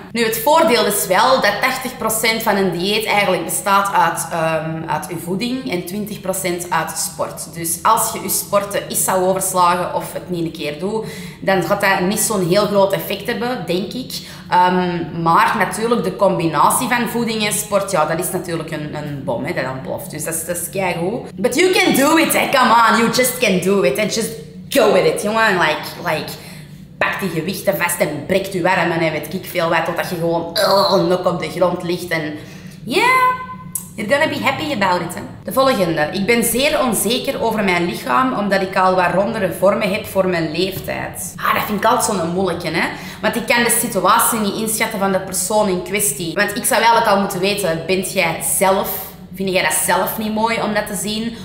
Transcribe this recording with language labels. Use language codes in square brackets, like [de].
[nl] Nu, het voordeel is wel dat 80% van een dieet eigenlijk bestaat uit je voeding en 20% uit sport. Dus als je je sporten is zou overslagen of het niet een keer doet, dan gaat dat niet zo'n heel groot effect hebben, denk ik. Maar natuurlijk, de combinatie van voeding en sport, ja, dat is natuurlijk een bom, hè, dat ontploft. Dus dat is keigoed. [en] But you can do it, [nl] hè. [en] Come on, you just can do it. Hè. Just go with it, jongen. [nl] Like, pak die gewichten vast en breek je armen en weet ik veel wat, totdat je gewoon nog op de grond ligt. [en] En yeah, you're gonna be happy about it. Hè. [nl] De volgende. Ik ben zeer onzeker over mijn lichaam, omdat ik al wat rondere vormen heb voor mijn leeftijd. Ah, dat vind ik altijd zo'n moeilijke, hè. Want ik kan de situatie niet inschatten van de persoon in kwestie. Want ik zou eigenlijk al moeten weten, ben jij zelf... Vind jij dat zelf niet mooi om dat te zien?